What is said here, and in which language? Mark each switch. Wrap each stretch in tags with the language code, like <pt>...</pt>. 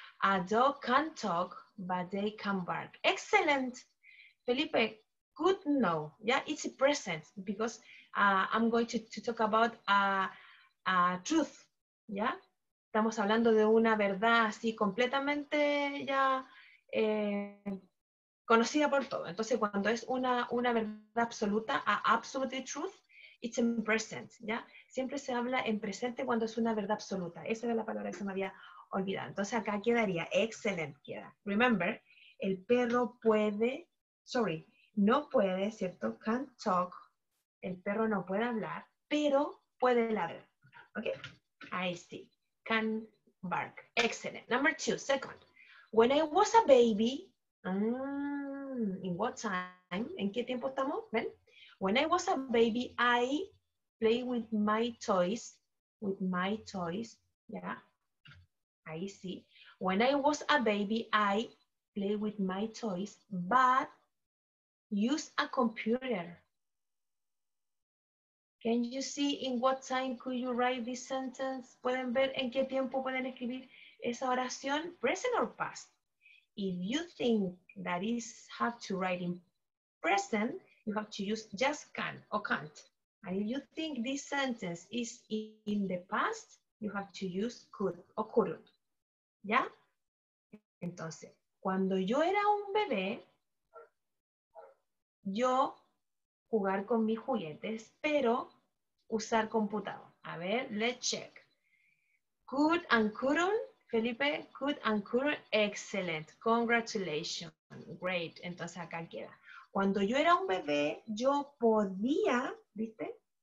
<en>A dog can talk, but they can bark. Excellent. Felipe, good no. Yeah, it's a present because I'm going to talk about a truth. Yeah.</en> <es>Estamos hablando de una verdad así completamente ya conocida por todo. Entonces, cuando es una verdad absoluta,</es> <en>a absolute truth, it's in present,</en> <es>¿ya? Siempre se habla en presente cuando es una verdad absoluta. Esa era la palabra que se me había olvidado. Entonces, acá quedaría, excellent, queda. Remember, el perro puede, sorry, no puede, ¿cierto?</es> <en>Can't talk,</en> <es>el perro no puede hablar, pero puede ladrar, ¿ok? Ahí sí.</es> <en>Can bark. Excellent. Number two, second. When I was a baby, in what time?</en> <es>¿En qué tiempo estamos? ¿Ven?</es> <en>When I was a baby, I play with my toys. With my toys. Yeah.</en> <es>Ahí sí.</es> <en>When I was a baby, I play with my toys, but use a computer. Can you see in what time could you write this sentence?</en> <es>¿Pueden ver en qué tiempo pueden escribir esa oración?</es> <en>Present or past? If you think that is have to write in present, you have to use just can or can't. And if you think this sentence is in the past, you have to use could or couldn't. ¿Ya?</en> <es>Entonces, cuando yo era un bebé, yo jugar con mis juguetes, pero usar computador. A ver,</es> <en>let's check. Could and couldn't, Felipe, could and couldn't, excellent. Congratulations, great.</en> <es>Entonces acá queda. Cuando yo era un bebé, yo podía, ¿viste?</es>